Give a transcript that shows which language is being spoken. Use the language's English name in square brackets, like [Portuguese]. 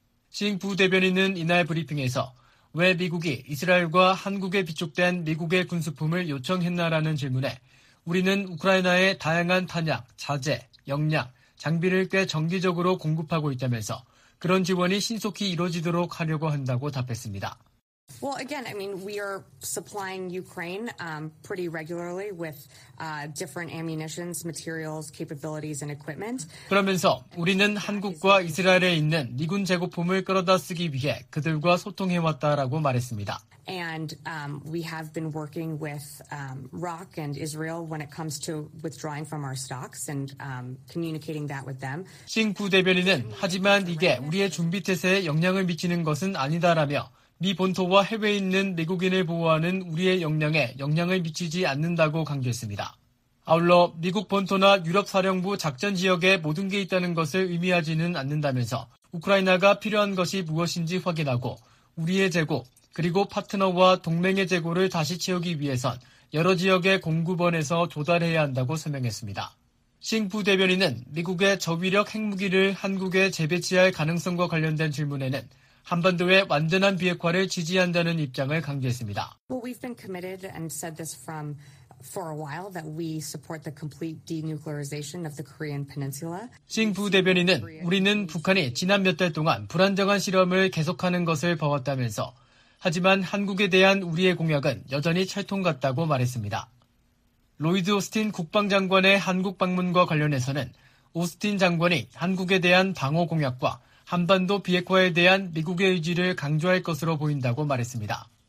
[Korean] 싱 부대변인은 이날 브리핑에서 왜 미국이 이스라엘과 한국에 비축된 미국의 군수품을 요청했나라는 질문에 우리는 우크라이나에 다양한 탄약, 자재, 역량, 장비를 꽤 정기적으로 공급하고 있다면서 그런 지원이 신속히 이루어지도록 하려고 한다고 답했습니다. [English] Well, again, I mean, we are supplying Ukraine pretty regularly with different ammunitions, materials, capabilities, and equipment. [Korean] 그러면서 우리는 한국과 이스라엘에 있는 미군 재고품을 끌어다 쓰기 위해 그들과 소통해 왔다라고 말했습니다. [English] And we have been working with ROC and Israel when it comes to withdrawing from our stocks and communicating that with them. [Korean] 싱 부대변인은 하지만 이게 우리의 준비 태세에 영향을 미치는 것은 아니다라며. 미 본토와 해외에 있는 미국인을 보호하는 우리의 역량에 영향을 미치지 않는다고 강조했습니다. 아울러 미국 본토나 유럽 사령부 작전 지역에 모든 게 있다는 것을 의미하지는 않는다면서 우크라이나가 필요한 것이 무엇인지 확인하고 우리의 재고 그리고 파트너와 동맹의 재고를 다시 채우기 위해선 여러 지역의 공급원에서 조달해야 한다고 설명했습니다. 싱 부대변인은 미국의 저위력 핵무기를 한국에 재배치할 가능성과 관련된 질문에는 한반도의 완전한 비핵화를 지지한다는 입장을 강조했습니다. [English] Well, we've been committed and said this for a while that we support the complete denuclearization of the Korean Peninsula. [Korean] 싱 부대변인은 우리는 북한이 지난 몇 달 동안 불안정한 실험을 계속하는 것을 보았다면서 하지만 한국에 대한 우리의 공약은 여전히 철통 같다고 말했습니다. 로이드 오스틴 국방장관의 한국 방문과 관련해서는 오스틴 장관이 한국에 대한 방어 공약과 한반도 비핵화에 대한 미국의 의지를 강조할 것으로 보인다고 말했습니다.